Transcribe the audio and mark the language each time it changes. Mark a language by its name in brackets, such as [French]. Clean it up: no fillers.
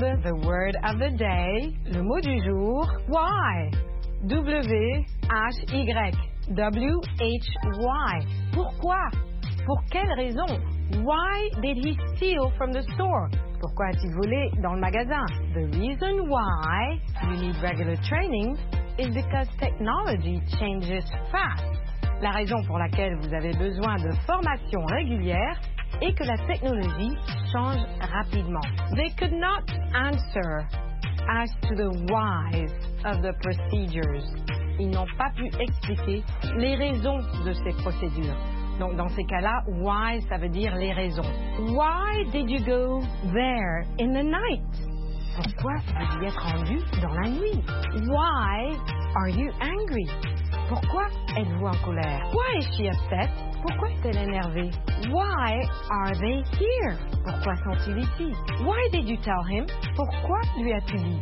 [English] The word of the day, [French] le mot du jour, [English] why? [French] W-H-Y, W-H-Y. Pourquoi? Pour quelle raison? [English] Why did he steal from the store? [French] Pourquoi a-t-il volé dans le magasin? [English] The reason why you need regular training is because technology changes fast. [French] La raison pour laquelle vous avez besoin de formation régulière est que la technologie change rapidement. [English] They could not answer as to the whys of the procedures. [French] Ils n'ont pas pu expliquer les raisons de ces procédures. Donc, dans ces cas-là, why, ça veut dire les raisons. [English] Why did you go there in the night? [French] Pourquoi as-tu été rendu dans la nuit? [English] Why are you angry? [French] Pourquoi êtes-vous en colère? [English] Why is she upset? [French] Pourquoi est-elle énervée? [English] Why are they here? [French] Pourquoi sont-ils ici? [English] Why did you tell him? [French] Pourquoi lui as-tu dit?